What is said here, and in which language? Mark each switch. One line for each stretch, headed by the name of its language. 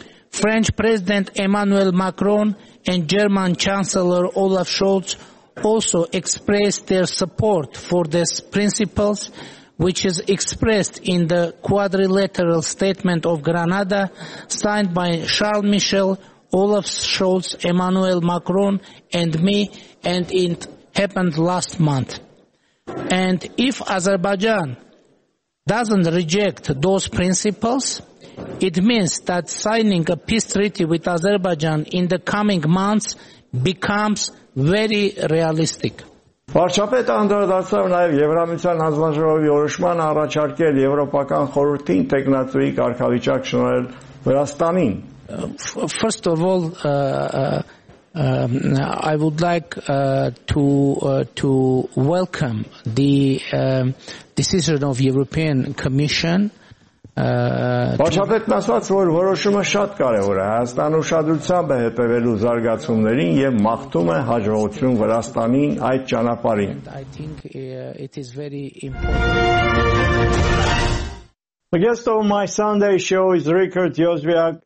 English: French President Emmanuel Macron and German Chancellor Olaf Scholz also expressed their support for these principles, which is expressed in the quadrilateral statement of Granada, signed by Charles Michel, Olaf Scholz, Emmanuel Macron, and me, and it happened last month. And if Azerbaijan doesn't reject those principles, it means that signing a peace treaty with Azerbaijan in the coming months becomes very realistic.
Armenian: Վարչապետը անդրադարձավ նաև Եվրամիության հանձնաժողովի որոշման առաջարկել Եվրոպական խորհրդին տեղնացուի կարգավիճակ շնորհել Վրաստանին։
English: First of all, I would like to welcome the decision of European Commission.
Armenian: Վարչապետն ասաց, որ որոշումը շատ կարևոր է, Հայաստանը ուշադրությամբ է հետևելու զարգացումներին և մաղթում է հաջողություն Վրաստանին այդ ճանապարհին։
English: The guest of my Sunday show is Richard Yozviak.